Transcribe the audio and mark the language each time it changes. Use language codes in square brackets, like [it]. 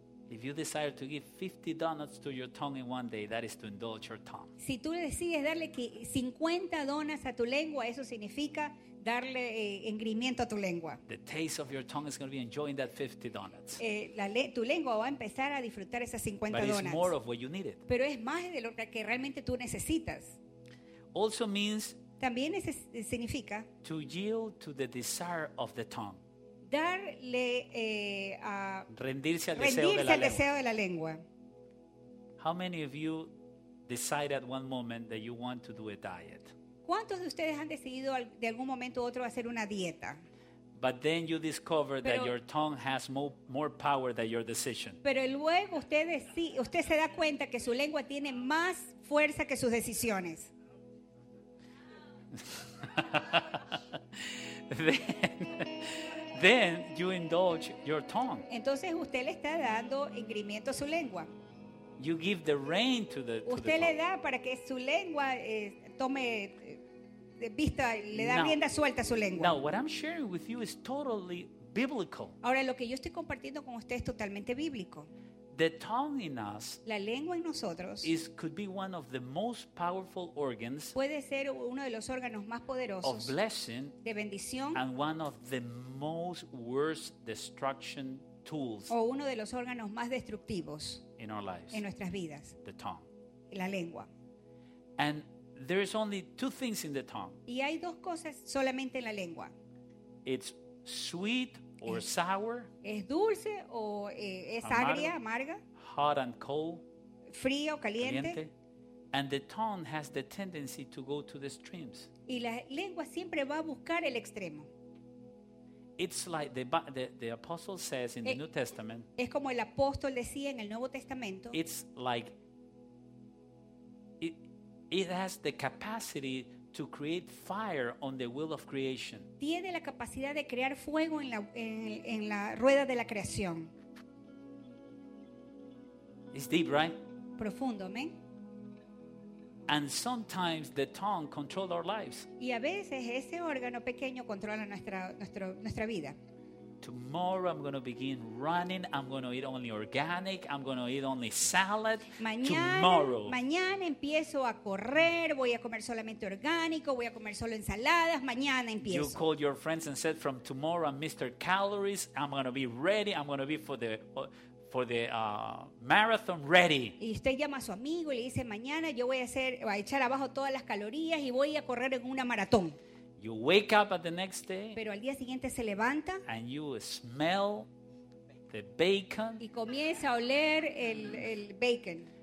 [en] If you desire to give 50 donuts to your tongue in one day, that is to indulge your tongue. [es] Si tú decides darle 50 donas a tu lengua, eso significa darle engrimiento a tu lengua. [en] The taste of your tongue is going to be enjoying that 50 donuts. [es] Tu lengua va a empezar a disfrutar esas 50 [en] donuts. But it's more of what you needed. [es] Pero es más de lo que realmente tú necesitas. [en] Also means [es] también significa [en] to yield to the desire of the tongue. [es] Darle a rendirse al deseo de la lengua. [en] How many of you decide at one moment that you want to do a diet? [es] ¿Cuántos de ustedes han decidido de algún momento u otro hacer una dieta? [en] But then you discover that your tongue has more power than your decision. [es] Pero luego usted se da cuenta que su lengua tiene más fuerza que sus decisiones. [en] Then you indulge your tongue. [es] Entonces usted le está dando engrimiento a su lengua. [en] You give the rein to the. [es] Usted [en] to the [es] le da para que su lengua tome vista, le da rienda suelta a su lengua. [en] Now what I'm sharing with you is totally biblical. [es] Ahora lo que yo estoy compartiendo con usted es totalmente bíblico. [en] The tongue in us, [es] la lengua en nosotros, [en] could be one of the most powerful organs, [es] puede ser uno de los órganos más poderosos, [en] of blessing, [es] de bendición, [en] and one of the most worst destruction tools, [es] o uno de los órganos más destructivos, [en] in our lives, [es] en nuestras vidas, [en] the tongue, [es] la lengua, [en] and there is only two things in the tongue, [es] y hay dos cosas solamente en la lengua, [en] it's sweet. Or sour, [es] es dulce o es agria, amarga. [en] Hot and cold, [es] frío o caliente. [en] And the tongue has the tendency to go to the extremes. [es] Y la lengua siempre va a buscar el extremo. [en] It's like the apostle says in the New Testament. [es] Es como el apóstol decía en el Nuevo Testamento. [en] It's like it has the capacity to create fire on the wheel of creation. [es] Tiene la capacidad de crear fuego en la rueda de la creación. [en] It's deep, right? [es] Profundo, amén. [en] And sometimes the tongue controls our lives. [es] Y a veces ese órgano pequeño controla nuestra vida. [en] Tomorrow I'm going to begin running. I'm going to eat only organic. I'm going to eat only salad. [es] Mañana empiezo a correr. Voy a comer solamente orgánico. Voy a comer solo ensaladas. Mañana empiezo. [en] You called your friends and said, "From tomorrow, I'm Mr. Calories. I'm going to be ready. I'm going to be for the marathon ready." [es] Y usted llama a su amigo y le dice, "Mañana yo voy a echar abajo todas las calorías y voy a correr en una maratón." [en] You wake up at the next day. [es] Pero al día siguiente se levanta. [en] And you smell the bacon. [es] Y comienza a oler el bacon.